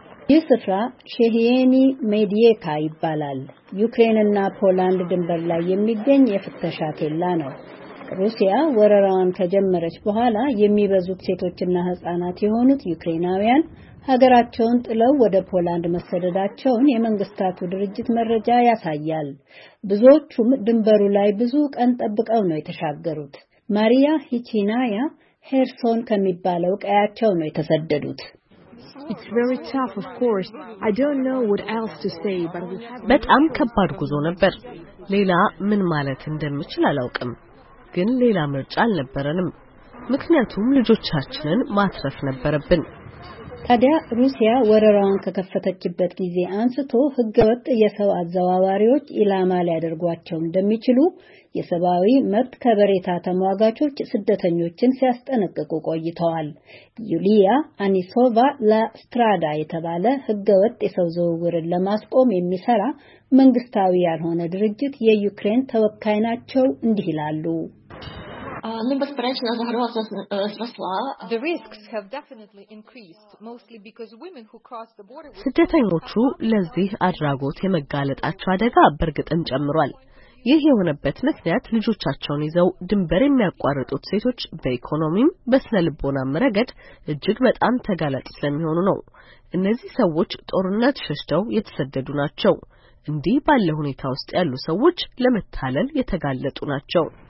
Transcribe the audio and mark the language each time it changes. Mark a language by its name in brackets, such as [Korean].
[Amharic] ይህ ስፍራ ሼሄኒ ሜዲየካ ይባላል። ዩክሬንና ፖላንድ ድንበር ላይ የሚገኝ የፍተሻ ኬላ ነው። ሩሲያ ወረራውን ከጀመረች በኋላ የሚበዙት ሴቶችና ሕፃናት የሆኑት ዩክሬናውያን ሀገራቸውን ጥለው ወደ ፖላንድ መሰደዳቸውን የመንግስታቱ ድርጅት መረጃ ያሳያል። ብዙዎቹም ድንበሩ ላይ ብዙ ቀን ጠብቀው ነው የተሻገሩት። ማሪያ ሂቺናያ ሄርሶን ከሚባለው ቀያቸው ነው የተሰደዱት። [English] It's very tough, of course. I don't know what else to say, but we have [Amharic] በጣም ከባድ ጉዞ ነበር። ሌላ ምን ማለት እንደምችል አላውቅም። ግን ሌላ ምርጫ አልነበረንም። ምክንያቱም ልጆቻችንን ማትረፍ ነበረብን። ታዲያ ሩሲያ ወረራውን ከከፈተችበት ጊዜ አንስቶ ህገወጥ የሰው አዘዋዋሪዎች ኢላማ ሊያደርጓቸው እንደሚችሉ የሰብአዊ መብት ከበሬታ ተሟጋቾች ስደተኞችን ሲያስጠነቅቁ ቆይተዋል። ዩሊያ አኒሶቫ ላስትራዳ የተባለ ህገወጥ የሰው ዝውውርን ለማስቆም የሚሰራ መንግስታዊ ያልሆነ ድርጅት የዩክሬን ተወካይ ናቸው እንዲህ ይላሉ። [English] The risks have definitely increased, mostly because women who cross the border. [Amharic] ስደተኞቹ ለዚህ አድራጎት የመጋለጣቸው አደጋ በርግጥም ጨምሯል። ይህ የሆነበት ምክንያት ልጆቻቸውን ይዘው ድንበር የሚያቋርጡት ሴቶች በኢኮኖሚም በስነ ልቦናም ረገድ እጅግ በጣም ተጋላጭ ስለሚሆኑ ነው። እነዚህ ሰዎች ጦርነት ሸሽተው የተሰደዱ ናቸው። እንዲህ ባለ ሁኔታ ውስጥ ያሉ ሰዎች ለመታለል የተጋለጡ ናቸው።